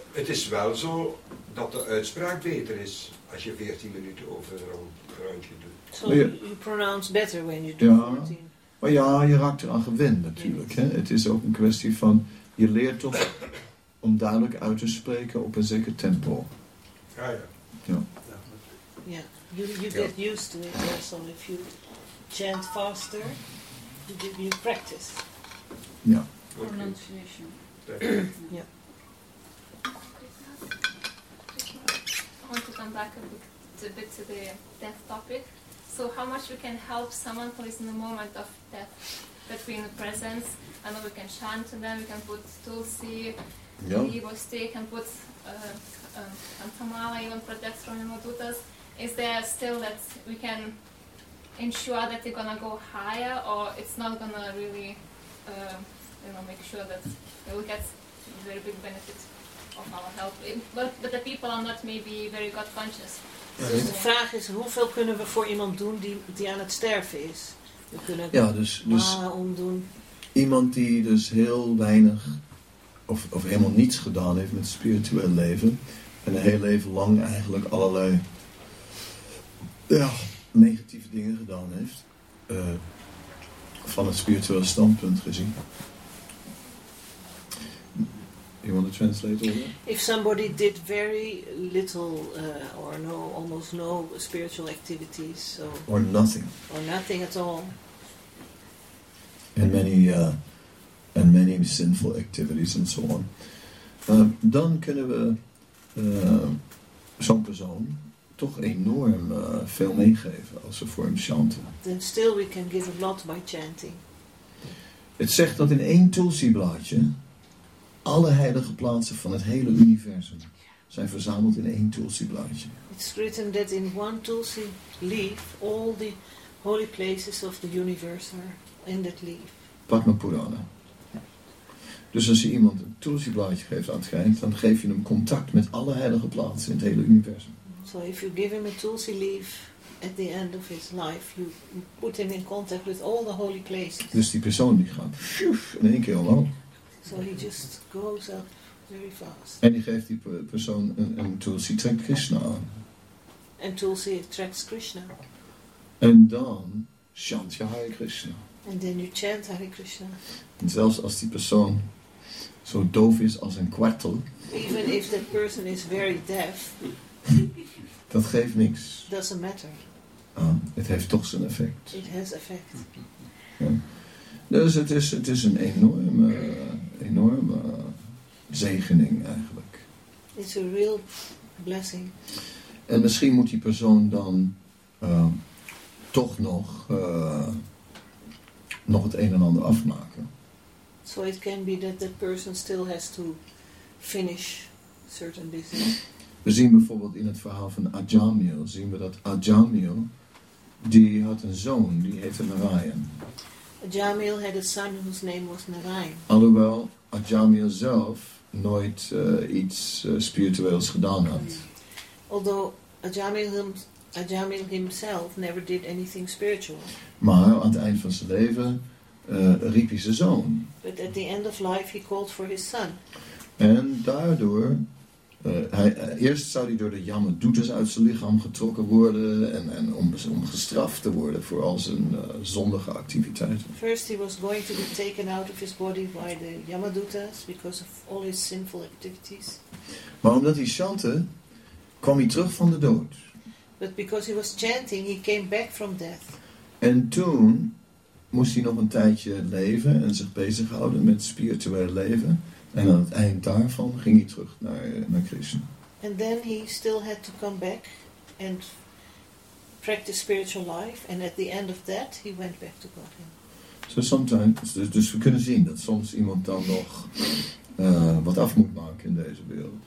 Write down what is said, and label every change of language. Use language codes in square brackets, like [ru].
[nl] Het is wel zo dat de uitspraak beter is als je 14 minuten over een rondje doet. [en] So you pronounce better when you do 14. [nl] Maar ja, je raakt eraan gewend natuurlijk. Yes. Hè? Het is ook een kwestie van, je leert toch om duidelijk uit te spreken op een zeker tempo. Ah, ja. Ja. [en] Yeah. You get used to it also if you chant faster. You practice. [nl] Ja. [en] Pronunciation. [nl] Ja. [en] Want to come back a bit to the death topic. So how much we can help someone who is in the moment of death, between the presence, and we can chant to them, we can put tulsi, evil stick, and put kantamala, even protect from the modutas. Is there still that we can ensure that they're gonna go higher, or it's not gonna really, make sure that they will get a very big benefit of our help? But the people are not maybe very God conscious. [nl] Dus de vraag is, hoeveel kunnen we voor iemand doen die aan het sterven is? We kunnen ja, dus omdoen. Iemand die dus heel weinig of helemaal niets gedaan heeft met het spirituele leven. En een heel leven lang eigenlijk allerlei negatieve dingen gedaan heeft. Van het spirituele standpunt gezien. [en] You want to translate over? If somebody did very little or no, almost no spiritual activities. So or nothing. Or nothing at all. And many sinful activities and so on. [nl] Dan kunnen we zo'n persoon toch enorm veel meegeven als ze voor hem chanten. [en] Then still we can give a lot by chanting. [nl] Het zegt dat in één tulsi blaadje alle heilige plaatsen van het hele universum zijn verzameld in één tulsi blaadje. [en] It's written that in one tulsi leaf all the holy places of the universe are in that leaf. Padma Purana. [nl] Dus als je iemand een tulsi blaadje geeft aan het geind, dan geef je hem contact met alle heilige plaatsen in het hele universum. [en] So if you give him a tulsi leaf at the end of his life, you put him in contact with all the holy places. [nl] Dus die persoon die gaat pfiouf, in één keer omhoog. [en] So he just goes up very fast. [nl] En die geeft die persoon een tulsi trekt Krishna aan. [en] And tulsi attracts Krishna. [nl] En dan chant je Hare Krishna. [en] And then you chant Hare Krishna. [nl] En zelfs als die persoon zo doof is als een kwartel. [en] Even if that person is very deaf. [nl] Dat geeft niks. [en] Doesn't matter. [nl] Het heeft toch zijn effect. [en] It has effect. [nl] Ja. Dus het is een enorme zegening eigenlijk. [en] It's a real blessing. [nl] En misschien moet die persoon dan toch nog het een en ander afmaken. [en] So it can be that the person still has to finish certain business. [nl] We zien bijvoorbeeld in het verhaal van Ajamil, zien we dat Ajamil, die had een zoon, die heette Narayan. [en] Ajamil had a son whose name was Narayan. [nl] Alhoewel Ajamil zelf nooit iets spiritueels gedaan had. [en] Although Ajamil himself never did anything spiritual. [nl] Maar aan het eind van zijn leven riep hij zijn zoon. [en] But at the end of life he called for his son. [nl] En daardoor, eerst zou hij door de Yamadutas uit zijn lichaam getrokken worden en om gestraft te worden voor al zijn zondige activiteiten. [en] First he was going to be taken out of his body by the Yamadutas because of all his sinful activities. [nl] Maar omdat hij chantte, kwam hij terug van de dood. [en] But because he was chanting, he came back from death. [nl] En toen moest hij nog een tijdje leven en zich bezighouden met spiritueel leven. En aan het eind daarvan ging hij terug naar Krishna. [en] And then he still had to come back and practice spiritual life. And at the end of that, he went back to Godhead. So sometimes, [nl] dus we kunnen zien dat soms iemand dan nog wat af moet maken in deze wereld.